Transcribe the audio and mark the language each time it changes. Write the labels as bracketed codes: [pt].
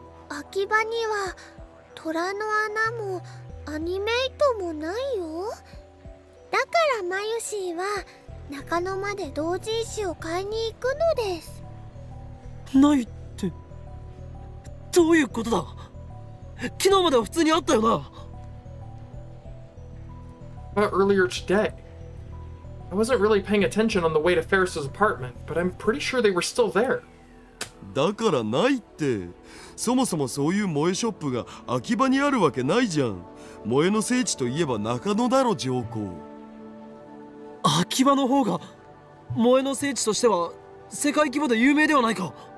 [ja] 秋葉には虎の穴もアニメイトもないよ。だからマユシーは中野まで同人誌を買いに行くのです。ないってどういうことだ。昨日までは普通にあったよな。 [en] But earlier today I wasn't really paying attention on the way to Ferris's apartment, but I'm pretty sure they were still there [ja] だからないって。そもそもそういう萌えショップが秋葉にあるわけないじゃん。萌えの聖地といえば中野だろ、上皇。秋葉の方が萌えの聖地としては世界規模で有名ではないか。